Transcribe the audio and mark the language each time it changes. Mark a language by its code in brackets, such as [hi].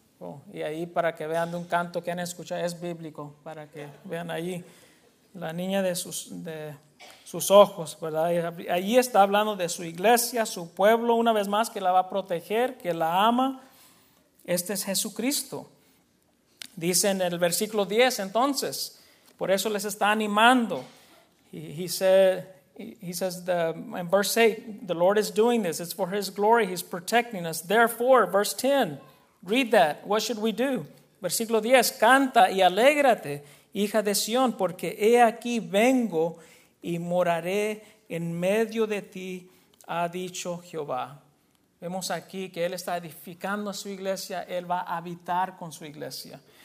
[es] Oh, y ahí para que vean de un canto que han escuchado, es bíblico, para que vean ahí la niña de sus ojos, ¿verdad? Ahí está hablando de su iglesia, su pueblo, una vez más, que la va a proteger, que la ama. Este es Jesucristo. Dice en el versículo 10, entonces, por eso les está animando. [en] He says, in verse 8, the Lord is doing this. It's for his glory. He's protecting us. Therefore, verse 10, read that. What should we do? [es] Versículo 10, canta y alégrate, hija de Sion, porque he aquí vengo y moraré en medio de ti, ha dicho Jehová. Vemos aquí que él está edificando su iglesia, él va a habitar con su iglesia.